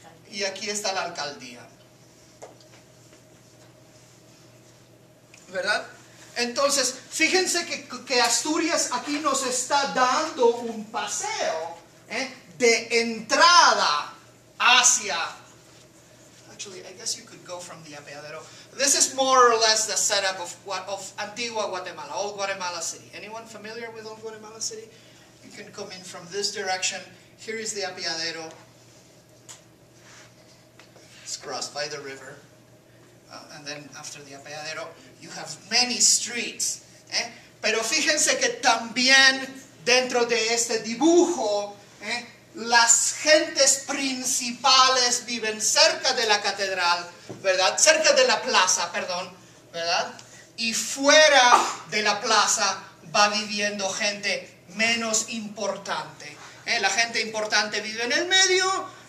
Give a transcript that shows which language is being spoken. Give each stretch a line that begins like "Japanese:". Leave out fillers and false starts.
Spanish: Y aquí está la alcaldía. ¿Verdad? Entonces, fíjense que Asturias aquí nos está dando un paseo, de entrada hacia.
English: Actually, I guess you could go from the Apeadero. This is more or less the setup of Antigua Guatemala, Old Guatemala City. Anyone familiar with Old Guatemala City? You can come in from this direction. Here is the Apeadero. It's crossed by the river. And then after the Apeadero, you have many streets.
Spanish: Pero fíjense que también dentro de este dibujo, las gentes principales viven cerca de la catedral, ¿verdad? Cerca de la plaza, perdón, ¿verdad? Y fuera de la plaza va viviendo gente menos importante. La gente importante vive en el medio,